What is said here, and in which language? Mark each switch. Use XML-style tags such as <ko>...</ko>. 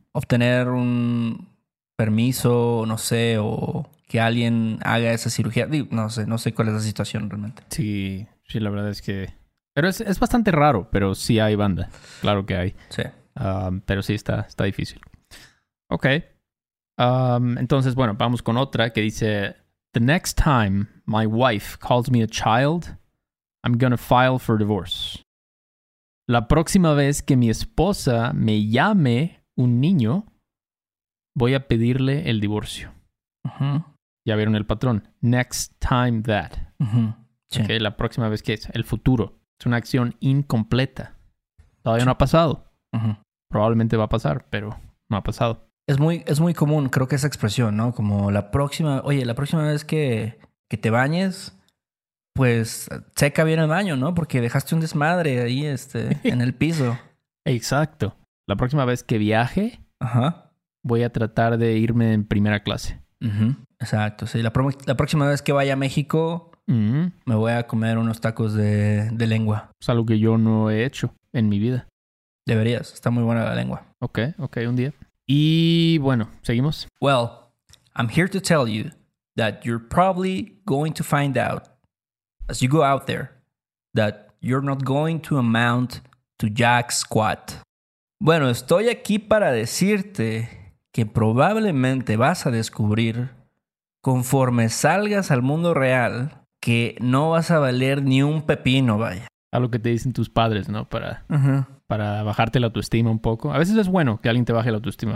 <es>Obtener un permiso, no sé, o que alguien haga esa cirugía. No sé cuál es la situación realmente. Sí, sí, la verdad es que... Pero es bastante raro, pero sí hay banda. Claro que hay. Sí. Pero sí está difícil. Ok. Entonces, bueno, vamos con otra que dice...</es> <en>The next time my wife calls me a child, I'm gonna file for divorce.</en> <es>La próxima vez que mi esposa me llame un niño, voy a pedirle el divorcio. Uh-huh. Ya vieron el patrón.</es> <en>Next time that. Uh-huh.</en> <es>Sí. Ok, la próxima vez que es. El futuro. Es una acción incompleta. Todavía no ha pasado. Uh-huh. Probablemente va a pasar, pero no ha pasado. Es muy común, creo que esa expresión, ¿no? Como la próxima vez que te bañes, pues checa bien el baño, ¿no? Porque dejaste un desmadre ahí en el piso. Exacto. La próxima vez que viaje, ajá, voy a tratar de irme en primera clase. Uh-huh. Exacto, sí. La próxima vez que vaya a México, uh-huh, me voy a comer unos tacos de lengua. Es algo que yo no he hecho en mi vida. Deberías, está muy buena la lengua. Ok, un día. Y bueno, seguimos.</es> <en>Well, I'm here to tell you that you're probably going to find out as you go out there that you're not going to amount to jack squat.</en> <es>Bueno, estoy aquí para decirte que probablemente vas a descubrir conforme salgas al mundo real que no vas a valer ni un pepino, vaya. A lo que te dicen tus padres, ¿no? Para... Uh-huh. Para bajarte la autoestima un poco. A veces es bueno que alguien te baje la autoestima.</es>